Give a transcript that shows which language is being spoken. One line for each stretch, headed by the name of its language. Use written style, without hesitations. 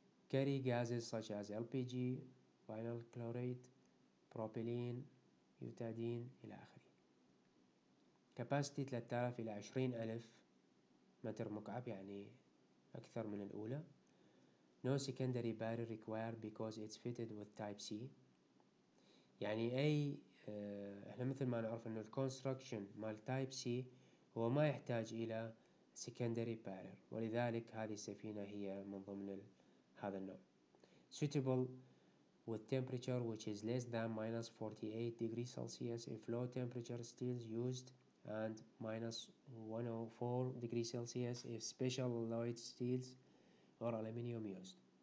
English: Carry gases such as LPG, vinyl chloride, propylene, butadiene
Arabic: إلى آخره. Capacity 3000 إلى 20000 متر مكعب, يعني أكثر من الأولى.
English: No secondary barrier required because it's fitted with type C.
Arabic: يعني أي إحنا مثل ما نعرف إنه الكونستركشن مال type C هو ما يحتاج إلى secondary barrier, ولذلك هذه السفينة هي من ضمن هذا النوع.
English: Suitable with temperature which is less than minus 48 degrees Celsius if low temperature still used, and minus 104 degrees Celsius if special alloyed steels or aluminium used.